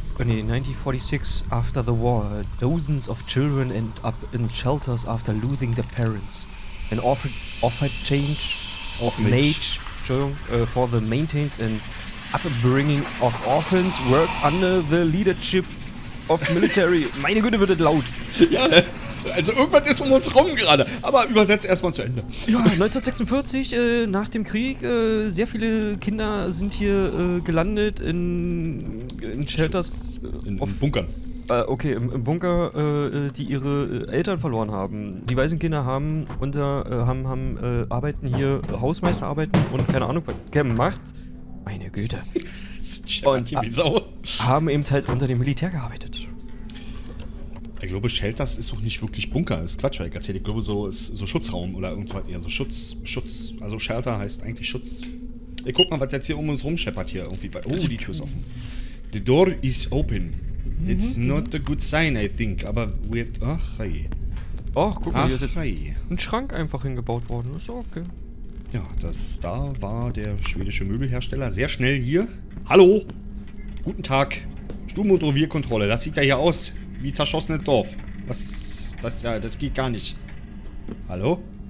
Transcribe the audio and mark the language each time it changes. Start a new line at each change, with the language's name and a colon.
English: 1946, after the war, dozens of children end up in shelters after losing their parents. An offered change for the maintenance and upbringing of orphans work under the leadership of military.
German: Meine Güte, wird das laut. Ja, also irgendwas ist um uns rum gerade. Aber übersetzt erstmal zu Ende. Ja, 1946, nach dem Krieg, sehr viele Kinder sind hier gelandet in Shelters. In Bunkern. Okay, im Bunker, die ihre Eltern verloren haben. Die Waisenkinder arbeiten hier, Hausmeister arbeiten und keine Ahnung, was gemacht. Meine Güte. Und haben eben halt unter dem Militär gearbeitet. Ich glaube, Shelters ist auch nicht wirklich Bunker, ist Quatsch, weil ich erzähle, ich glaube, so ist so Schutzraum oder irgendwas, eher so Schutz, also Shelter heißt eigentlich Schutz. Ey, guck mal, was jetzt hier um uns rum scheppert hier irgendwie, die Tür ist offen.
English: The door is open. It's not a good sign, I think, aber we have to,
German: ach, guck mal, hier ist ein Schrank einfach hingebaut worden, ist okay. Ja, das da war der schwedische Möbelhersteller. Sehr schnell hier. Hallo! Guten Tag. Sturm- und Revierkontrolle. Das sieht ja hier aus wie zerschossenes Dorf. Was? Das, ja, das geht gar nicht. Hallo?